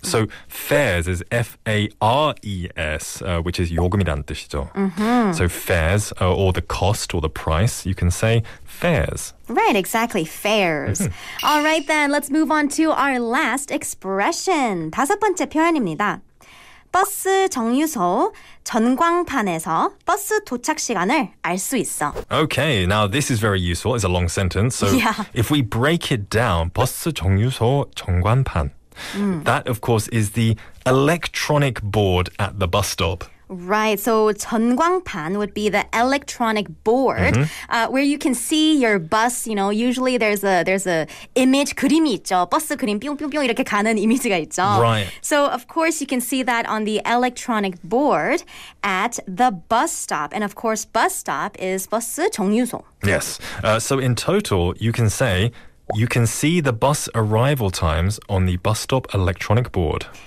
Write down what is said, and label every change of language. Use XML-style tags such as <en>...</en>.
<en>So fares is F-A-R-E-S, which is</en> <ko>요금이란 뜻이죠. Mm-hmm.</ko> <en>So fares, or the cost or the price, you can say fares. Right, exactly, fares. Mm-hmm. All right then, let's move on to our last expression.</en> <ko>다섯 번째 표현입니다. 버스 정류소 전광판에서 버스 도착 시간을 알 수 있어.</ko> <en>Okay, now this is very useful. It's a long sentence. So yeah. if we break it down, 버스 정류소 전광판, that of course is the electronic board at the bus stop. Right. So 전광판 would be the electronic board where you can see your bus. You know, usually there's a image</en> <ko>그림이 있죠. 버스 그림 뿅뿅뿅 이렇게 가는 이미지가 있죠.</ko> <en>Right. So of course you can see that on the electronic board at the bus stop. And of course, bus stop is 버스 정류소. Yes. So in total, you can say you can see the bus arrival times on the bus stop electronic board.</en>